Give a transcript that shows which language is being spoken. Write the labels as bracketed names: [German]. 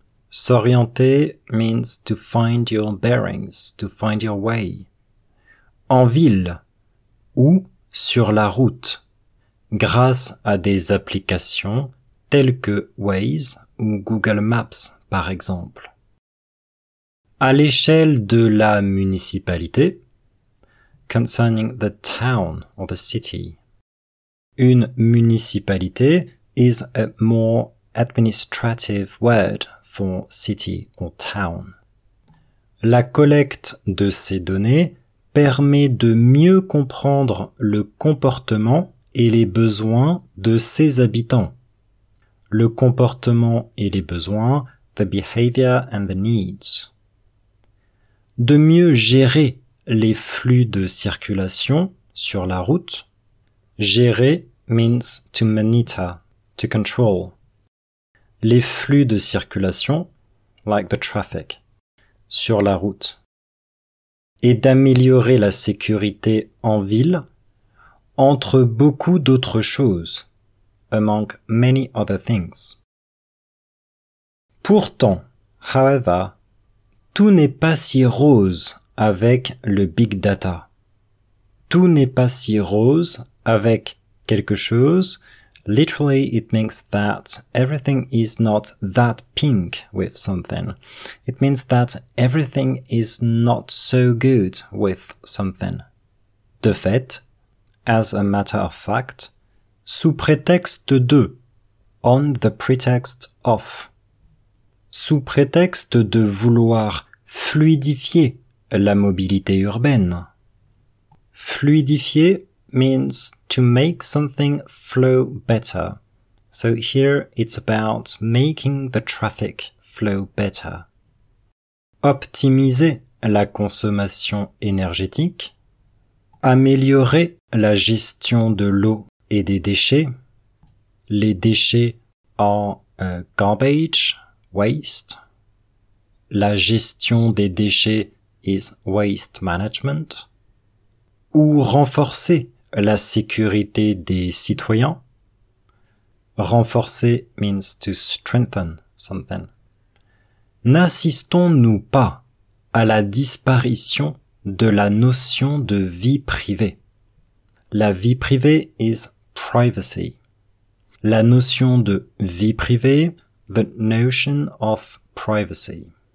[English] S'orienter means to find your bearings, to find your way. [French] En ville ou sur la route, grâce à des applications telles que Waze ou Google Maps, par exemple. À l'échelle de la municipalité, [English] concerning the town or the city, une municipalité is a more administrative word for city or town. [French] La collecte de ces données permet de mieux comprendre le comportement et les besoins de ses habitants. Le comportement et les besoins, [English] the behavior and the needs. [French] De mieux gérer les flux de circulation sur la route. [English] Gérer means to monitor, to control. [French] Les flux de circulation, [English] like the traffic, [French] sur la route. Et d'améliorer la sécurité en ville, entre beaucoup d'autres choses, [English] among many other things. [French] Pourtant, however, tout n'est pas si rose avec le big data. Tout n'est pas si rose avec quelque chose. [English] Literally, it means that everything is not that pink with something. It means that everything is not so good with something. [French] De fait, [English] as a matter of fact, [French] sous prétexte de, [English] on the pretext of, [French] sous prétexte de vouloir fluidifier la mobilité urbaine. [English] Fluidifier means to make something flow better. So here it's about making the traffic flow better. [French] Optimiser la consommation énergétique. Améliorer la gestion de l'eau et des déchets. Les déchets en garbage, waste. La gestion des déchets [English] is waste management. [French] Ou renforcer la sécurité des citoyens. [English] Renforcer means to strengthen something. [French] N'assistons-nous pas à la disparition de la notion de vie privée? La vie privée [English] is privacy. [French] La notion de vie privée, [English] the notion of privacy.